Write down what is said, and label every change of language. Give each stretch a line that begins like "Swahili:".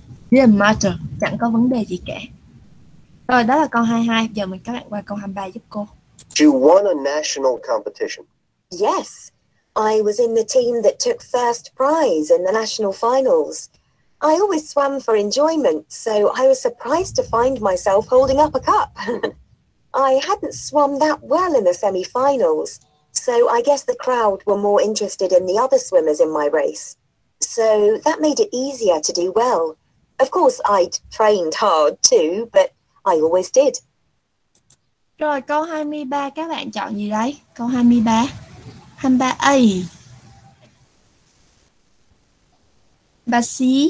English: Didn't matter.
Vietnamese: Chẳng có vấn đề gì cả. Rồi đó là câu 22. Giờ mình các bạn qua câu 23 giúp cô.
English: You won a national competition. Yes. I was in the team that took first prize in the national finals. I always swam for enjoyment, so I was surprised to find myself holding up a cup. I hadn't swum that well in the semi-finals, so I guess the crowd were more interested in the other swimmers in my race. So that made it easier to do well. Of course, I'd trained hard too, but I always did.
Vietnamese: Rồi, câu 23, các bạn chọn gì đấy? Câu 23. 23A. Bà C.